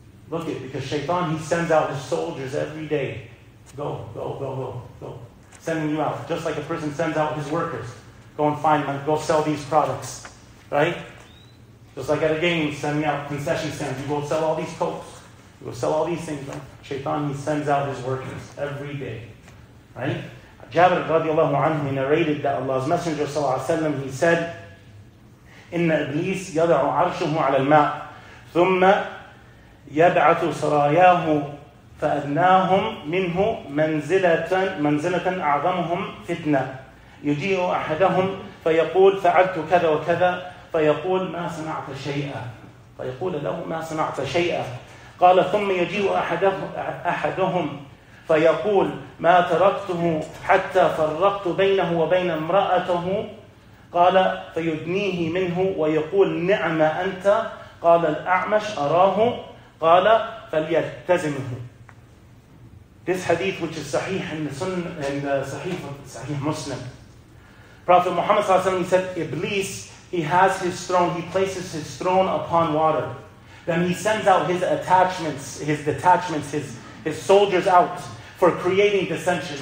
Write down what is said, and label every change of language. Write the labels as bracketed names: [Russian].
[English] Look it, because shaytan, he sends out his soldiers every day. Go. Sending you out. Just like a person sends out his workers. Go and find them. Go sell these products. Right? Just like at a game, sending out concession stands. You go sell all these coats. You go sell all these things. Shaytan, he sends out his workers every day. Right? Jabir radiallahu anhu narrated that Allah's Messenger sallallahu alayhi wa sallam, he said, [Arabic] إِنَّ إِبْلِيسِ يَدَعُ عَرْشُهُ عَلَى الْمَاءِ ثُمَّ يَبْعَثُ سَرَايَاهُ فَأَذْنَاهُمْ مِنْهُ مَنْزِلَةً أَعْظَمُهُمْ فِتْنَةً يُجِيءُ أَحَدَهُمْ فَيَقُولُ فَعَلْتُ كَذَا وَكَذَا فَيَقُولُ مَا صَنَعْتَ شَيْئًا فَيَقُولُ لَهُ مَا صَنَعْتَ شَيْئًا قَالَ ثُمَّ يُجِيءُ أَحَدَهُمْ فَيَقُولُ مَا تَرَكْتُهُ حَتَّى فَرَّقْتُ بَيْنَهُ وَبَيْنَ امْرَأَتِهِ قَالَ فَيُدْنِيهِ مِنْهُ وَيَقُولُ نِعْمَ أَنْتَ قَالَ الْأَعْمَشُ أَرَاهُ قَالَ فَلْيَلْتَزِمْهُ. [English] This hadith, which is sahih in the sunnah, in the sahih Muslim, Prophet Muhammad sallallahu alaihi wasallam said, Iblis, he has his throne, he places his throne upon water. Then he sends out his attachments, his detachments, his soldiers out for creating dissension.